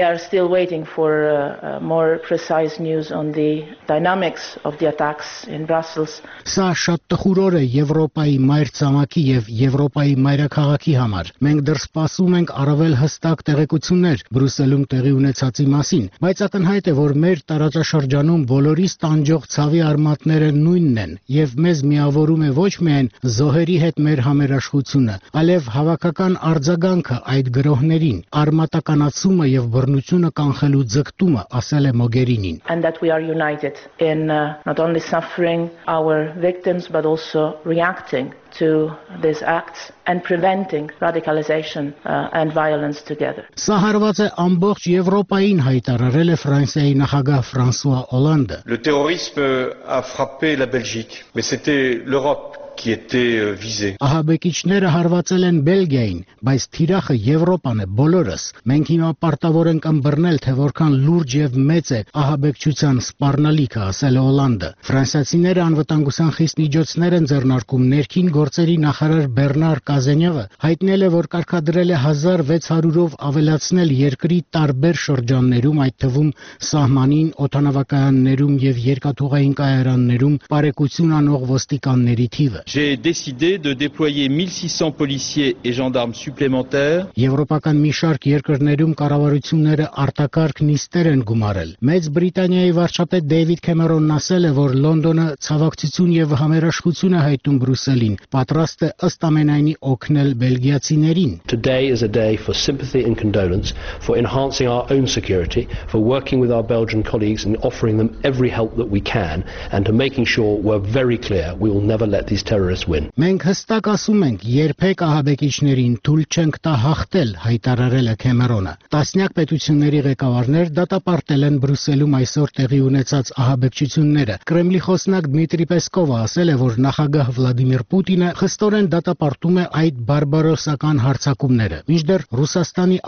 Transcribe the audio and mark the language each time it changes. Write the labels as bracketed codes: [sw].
[en] Still waiting for more precise news on the dynamics of the attacks in Brussels. [hy] Սա շատ տխուրոր է Եվրոպայի մայր ցամաքի եւ Եվրոպայի մայրաքաղաքի համար։ Մենք դեռ սպասում ենք առավել հստակ տեղեկություններ Բրյուսելում տեղի ունեցածի մասին, բայց ակնհայտ է, որ մեր տարածաշրջանում բոլորիս տանջող ցավի արմատները նույնն են, եւ մեզ միավորում է ոչ միայն զոհերի հետ մեր համերաշխությունը, այլև հավաքական արձագանքը այդ գրոհներին, արմատականացումը եւ ունությունը կանխելու ձգտումը, ասել է Մոգերինին։ [en] And that we are united in not only suffering our victims but also reacting to these acts and preventing radicalization and violence together. [hy] Սահարված է ամբողջ Եվրոպային, հայտարարել է Ֆրանսիայի նախագահ Ֆրանսուয়া Օլանդը։ [fr] Le terrorisme a frappé la Belgique, mais c'était l'Europe qui était visé. [hy] Ահաբեկիչները հարվածել են Բելգիային, բայց թիրախը Եվրոպան է, բոլորս։ Մենք հիմա պարտավոր ենք ըմբռնել, թե որքան լուրջ եւ մեծ է ահաբեկչության սպառնալիքը, ասել է Օլանդը։ Ֆրանսացիները անվտանգության խիստ միջոցներ են ձեռնարկում։ Ներքին գործերի նախարար Բեռնար Կազենյովը հայտնել է, որ կարգադրել է 1600-ով ավելացնել երկրի տարբեր շրջաններում, այդ թվում սահմանին, օդանավակայաններում եւ երկաթուղային կայարաններում պարեկություն անող ոստիկանների թիվը։ [fr] J'ai décidé de déployer 1600 policiers et gendarmes supplémentaires. [hy] Եվրոպական մի շարք երկրներում կառավարությունները արտակարգ նիստեր են գումարել։ Մեծ Բրիտանիայի վարչապետ Դեյվիդ Քեմերոնն ասել է, որ Լոնդոնը ցավակցություն եւ համերաշխություն է հայտնում Բրյուսելին, պատրաստ է ըստ ամենայնի օգնել բելգիացիներին։ [en] Today is a day for sympathy and condolence, for enhancing our own security, for working with our Belgian colleagues and offering them every help that we can, and to making sure we're very clear we will never let these terrorists win. [hy] Մենք հստակ ասում ենք, երբեք ահաբեկիչներին թույլ չենք տա հաղթել, հայտարարել է Քեմերոնը։ Տասնյակ պետությունների ղեկավարներ դատապարտել են Բրյուսելում այսօր տեղի ունեցած ահաբեկչությունները։ Կրեմլի խոսնակ Դմիտրի Պեսկովը ասել է, որ նախագահ Վլադիմիր Պուտինը խստորեն դատապարտում է այդ բարբարոսական հարձակումները։ Մինչդեռ Ռուսաստանի